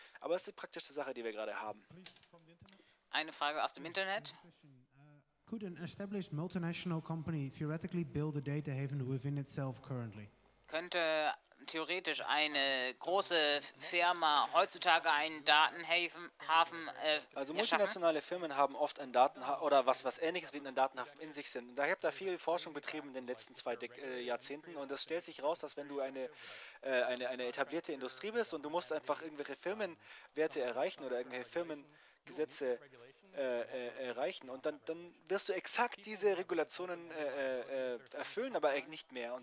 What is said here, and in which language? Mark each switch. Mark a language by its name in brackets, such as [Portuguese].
[German] Aber das ist die praktischste Sache, die wir gerade haben. Eine Frage aus dem Internet. [English] Could an established multinational company theoretically build a data haven within itself currently? [German] Könnte theoretisch eine große Firma heutzutage einen Datenhafen erschaffen? Also multinationale Firmen haben oft einen Datenhafen oder was ähnliches wie einen Datenhafen in sich sind. Ich habe da viel Forschung betrieben in den letzten zwei Jahrzehnten und es stellt sich raus, dass wenn du eine etablierte Industrie bist und du musst einfach irgendwelche Firmenwerte erreichen oder irgendwelche Firmengesetze erreichen und dann wirst du exakt diese Regulationen erfüllen, aber nicht mehr.